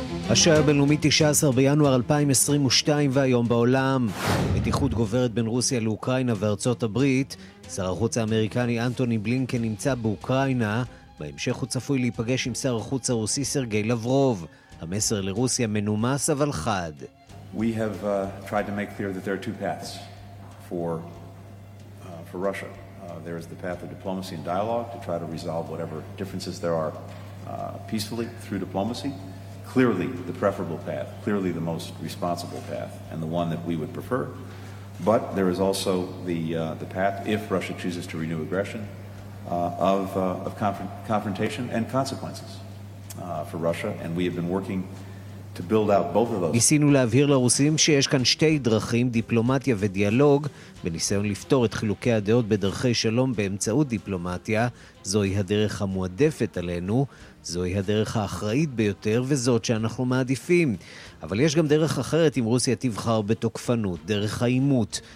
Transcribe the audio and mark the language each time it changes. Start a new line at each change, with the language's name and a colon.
Hebrew: השעה הבינלאומית 19 בינואר 2022 והיום בעולם. מתיחות גוברת בין רוסיה לאוקראינה וארצות הברית. שר החוץ האמריקני אנטוני בלינקן נמצא באוקראינה. בהמשך הוא צפוי להיפגש עם שר החוץ הרוסי סרגי לברוב. המסר לרוסיה מנומס אבל חד.
English: We have tried to make clear that there are two paths for Russia. There is the path of diplomacy and dialogue to try to resolve whatever differences there are peacefully through diplomacy. Clearly the preferable path, clearly the most responsible path and the one that we would prefer. But there is also the path, if Russia chooses to renew aggression, of confrontation and consequences for Russia, and we have been working to build out both of those.
Hebrew: ניסינו להבהיר לרוסים שיש כאן שתי דרכים, דיפלומטיה ודיאלוג, בניסיון לפתור את חילוקי הדעות בדרכי שלום באמצעות דיפלומטיה. זוהי הדרך המועדפת עלינו, זוהי הדרך האחראית ביותר וזאת שאנחנו מעדיפים. אבל יש גם דרך אחרת אם רוסיה תבחר בתוקפנות, דרך האימות.